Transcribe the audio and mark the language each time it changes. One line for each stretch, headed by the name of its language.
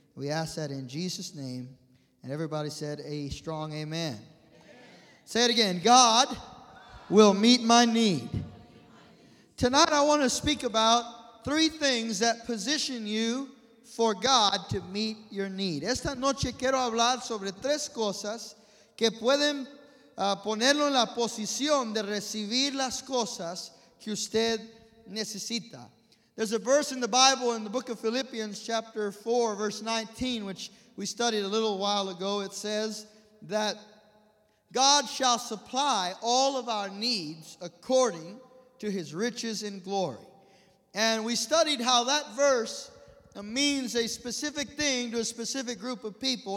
English: We ask that in Jesus' name. And everybody said a strong amen. Amen. Say it again. God will meet my need. Tonight I want to speak about three things that position you for God to meet your need.
Spanish: Esta noche quiero hablar sobre tres cosas que pueden ponerlo en la posición de recibir las cosas que usted necesita.
English: There's a verse in the Bible in the book of Philippians chapter 4 verse 19, which we studied a little while ago. It says that God shall supply all of our needs according to his riches in glory. And we studied how that verse means a specific thing to a specific group of people.